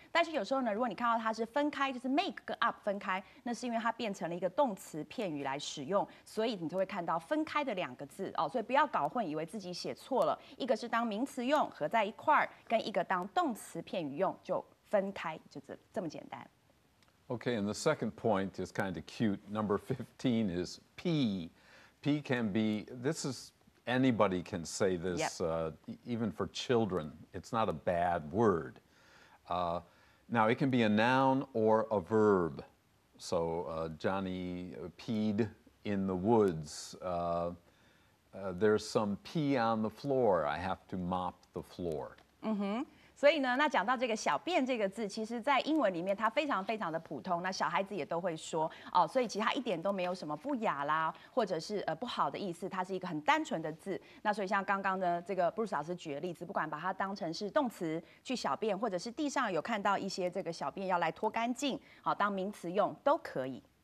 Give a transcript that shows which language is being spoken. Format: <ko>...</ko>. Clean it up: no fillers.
<zh>但是有时候呢，如果你看到它是分开，就是 make 跟 up 分开，那是因为它变成了一个动词片语来使用，所以你就会看到分开的两个字哦。所以不要搞混，以为自己写错了，一个是当名词用合在一块，跟一个当动词片语用就分开，就是这么简单。</zh> <en>Okay, and the second point is kind of cute. Number 15 is pee. Pee can be, this is, anybody can say this, yep. Even for children. It's not a bad word. Now, it can be a noun or a verb. So, Johnny peed in the woods. There's some pee on the floor. I have to mop the floor. Mm-hmm.</en> <zh>所以呢，那讲到这个小便这个字，其实在英文里面它非常非常的普通，那小孩子也都会说哦，所以其实它一点都没有什么不雅啦，或者是不好的意思，它是一个很单纯的字。那所以像刚刚呢，这个 Bruce 老师举的例子，不管把它当成是动词去小便，或者是地上有看到一些这个小便要来拖干净，好、哦、当名词用都可以。</zh>